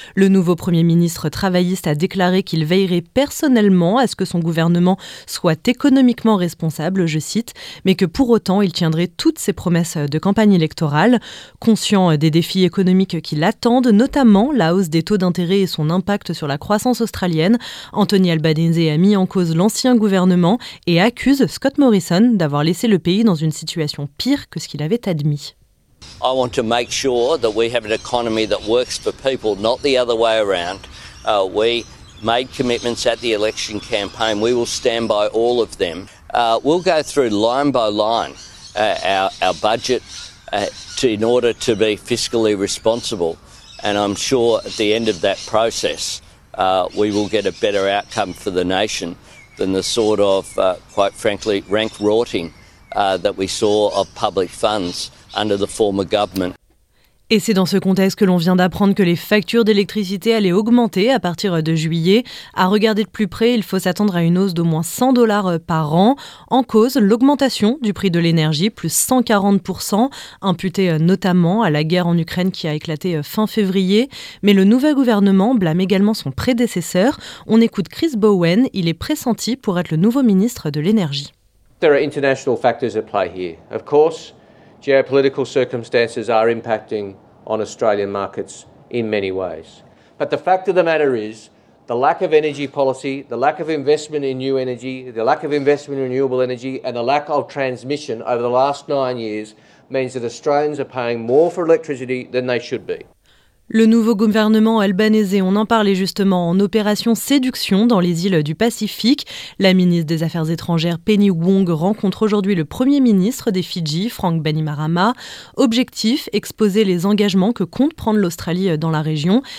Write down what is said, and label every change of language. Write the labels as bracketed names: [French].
[French] Le nouveau Premier ministre travailliste a déclaré qu'il veillerait personnellement à ce que son gouvernement soit économiquement responsable, je cite, mais que pour autant il tiendrait toutes ses promesses de campagne électorale. Conscient des défis économiques qui l'attendent, notamment la hausse des taux d'intérêt et son impact sur la croissance australienne, Anthony Albanese a mis en cause l'ancien gouvernement et accuse Scott Morrison d'avoir laissé le pays dans une situation pire que ce qu'il avait admis. [English] I want to make sure that we have an economy that works for people, not the other way around. We made commitments at the election campaign. We will stand by all of them. We'll go through line by line our budget in order to be fiscally responsible. And I'm sure at the end of that process, we will get a better outcome for the nation than the sort of, quite frankly, rank rorting. That we saw of public funds under the former government. [French] Et c'est dans ce contexte que l'on vient d'apprendre que les factures d'électricité allaient augmenter à partir de juillet. À regarder de plus près, il faut s'attendre à une hausse d'au moins 100 dollars par an. En cause, l'augmentation du prix de l'énergie, plus 140%, imputée notamment à la guerre en Ukraine qui a éclaté fin février. Mais le nouvel gouvernement blâme également son prédécesseur. On écoute Chris Bowen, il est pressenti pour être le nouveau ministre de l'énergie. [English] There are international factors at play here. Of course, geopolitical circumstances are impacting on Australian markets in many ways. But the fact of the matter is, the lack of energy policy, the lack of investment in new energy, the lack of investment in renewable energy, and the lack of transmission over the last 9 years means that Australians are paying more for electricity than they should be. [French] Le nouveau gouvernement albanais, on en parlait justement, en opération séduction dans les îles du Pacifique. La ministre des Affaires étrangères Penny Wong rencontre aujourd'hui le premier ministre des Fidji, Frank Bainimarama. Objectif, exposer les engagements que compte prendre l'Australie dans la région.